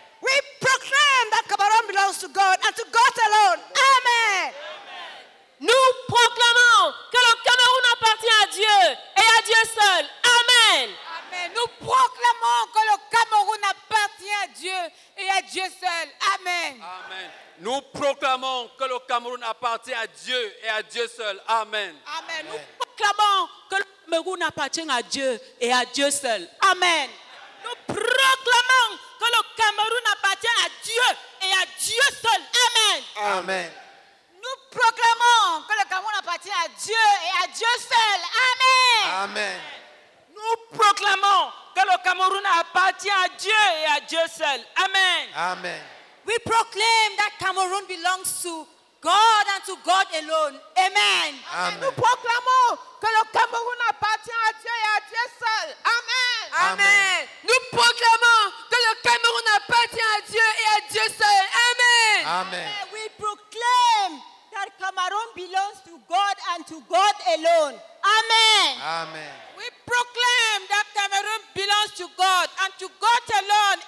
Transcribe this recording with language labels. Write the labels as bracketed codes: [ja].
[en] We proclaim that Cameroon belongs to God and to God alone. Amen. [fr] Nous proclamons que le Cameroun appartient à Dieu et à Dieu seul. Amen. Amen. Nous proclamons que le Cameroun appartient à Dieu et à Dieu seul. Amen. Amen. Nous proclamons que le Cameroun appartient à Dieu et à Dieu seul. Amen. Amen. Nous proclamons que le Cameroun appartient à Dieu et à Dieu seul. Amen. Nous proclamons que le Cameroun appartient à Dieu et à Dieu seul. Amen. Amen. Nous proclamons que le Cameroun appartient à Dieu et à Dieu seul. Amen. Amen. Nous proclamons que le Cameroun appartient à Dieu et à Dieu seul. Amen. Amen. [en] We proclaim that Cameroon belongs to God and to God alone. Amen. Amen. [fr] Nous proclamons que le Cameroun appartient à Dieu et à Dieu seul. Amen. Amen. Nous proclamons que le Cameroun appartient à Dieu et à Dieu seul. Amen. Amen. [en] We proclaim that Cameroon belongs to God and to God alone. Amen. Amen. We proclaim that Cameroon belongs to God and to God alone.